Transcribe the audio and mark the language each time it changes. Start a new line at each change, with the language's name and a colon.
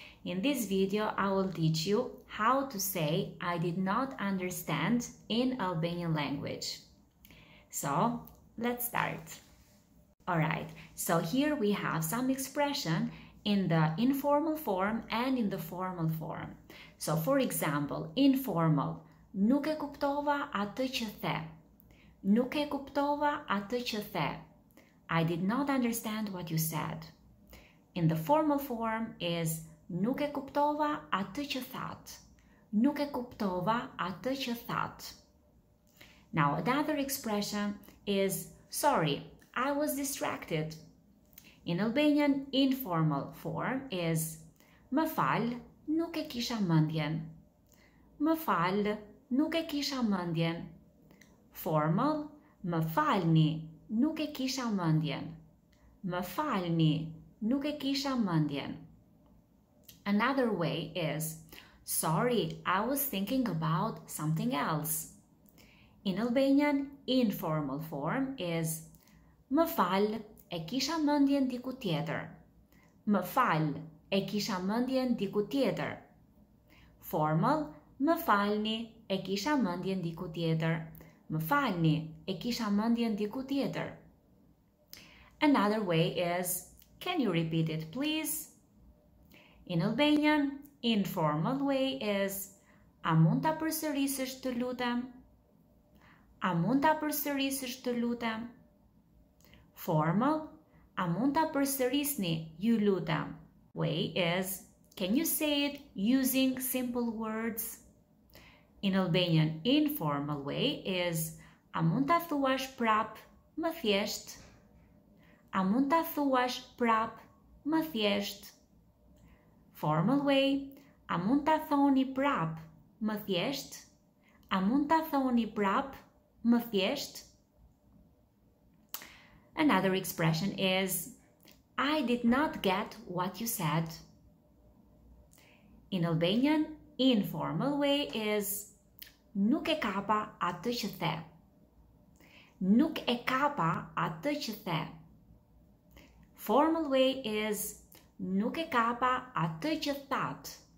English: In this video, I will teach you how to say I did not understand in Albanian language. So, let's start. Alright, so here we have some expression in the informal form and in the formal form. So, for example, informal,
Albanian: nuk e kuptova atë që the. Nuk e kuptova atë që the.
English: I did not understand what you said. In the formal form is
Albanian: nuk e kuptova atë që that. Nuk e kuptova atë që that.
English: Now another expression is sorry, I was distracted. In Albanian, informal form is
Albanian: më fal, nuk e kisha mendjen. Më fal, nuk e kisha mendjen. Formal, më falni, nuk e kisha mendjen. Më falni, nuk e kisha mendjen.
English: Another way is, sorry, I was thinking about something else. In Albanian, informal form is,
Albanian: më fal, e kisha mendjen diku tjetër. Më fal, e kisha mendjen diku tjetër. Formal, më falni, e kisha mendjen diku tjetër. Më falni, e kisha mendjen diku tjetër.
English: Another way is, can you repeat it, please? In Albanian, informal way is,
Albanian: a mund ta përsërisësh të lutem? A mund ta përsërisësh të lutem? Formal, a mund ta përsërisni, ju lutem?
English: Way is, can you say it using simple words? In Albanian, informal way is
Albanian: a mund ta thuash prap, më thjesht. A mund ta thuash prap, më thjesht.
English: Formal way,
Albanian: a mund ta thoni prap, më thjesht. A mund ta thoni prap, më thjesht.
English: Another expression is I did not get what you said. In Albanian, informal way is
Albanian: nuk e kapa atë që the. Nuk e kapa atë që the.
English: Formal way is
Albanian: nuk e kapa atë që that.